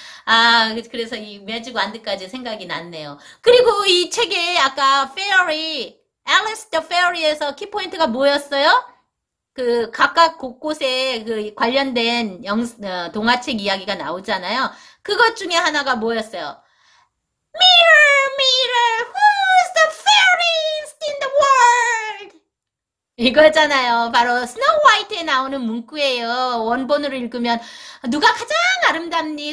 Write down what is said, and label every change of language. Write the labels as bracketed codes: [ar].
[ko] 아, 그래서 이 매직 완드까지 생각이 났네요. 그리고 이 책에 아까 페어리, 앨리스 더 페어리에서 키포인트가 뭐였어요? 그 각각 곳곳에 그 관련된 동화책 이야기가 나오잖아요. 그것 중에 하나가 뭐였어요? [en] Mirror, mirror, who's the fairest in the world? [ko] 이거잖아요. 바로 스노우 화이트에 나오는 문구예요. 원본으로 읽으면 누가 가장 아름답니?